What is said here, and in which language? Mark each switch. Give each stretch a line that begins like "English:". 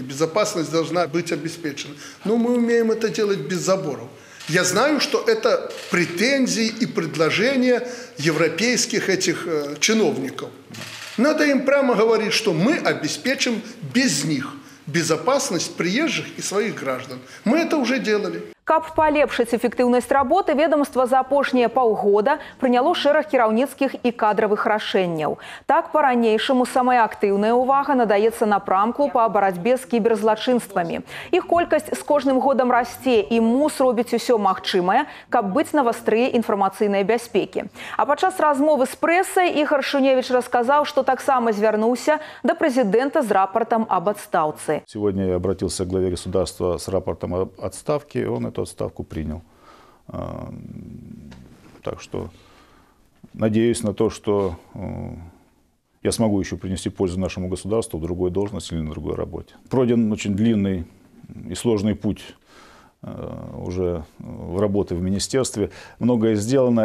Russian: Безопасность должна быть обеспечена. Но мы умеем это делать без заборов. Я знаю, что это претензии и предложения европейских этих чиновников. Надо им прямо говорить, что мы обеспечим без них безопасность приезжих и своих граждан. Мы это уже делали.
Belarusian: Каб палепшыць эфектыўнасць работы, ведомства за апошнія паўгода прыняло шэраг кіраўніцкіх і кадравых рашэнняў. Так, па-ранейшаму самая актыўная ўвага надаецца напрамку па барацьбе з кіберзлачынствамі. Іх колькасць з кожным годам расце, і МУС робіць усё магчымае, каб быць на вастрыя інфармацыйнай бяспекі. А падчас размовы з прэсай Ігар Шуневіч расказаў, што таксама звярнуўся да прэзідэнта з рапартам аб адстаўцы.
Russian: Сегодня я обратился к главе государства с рапортом об отставке. Он эту отставку принял. Так что надеюсь на то, что я смогу еще принести пользу нашему государству в другой должности или на другой работе. Пройден очень длинный и сложный путь уже в работе в министерстве. Многое сделано.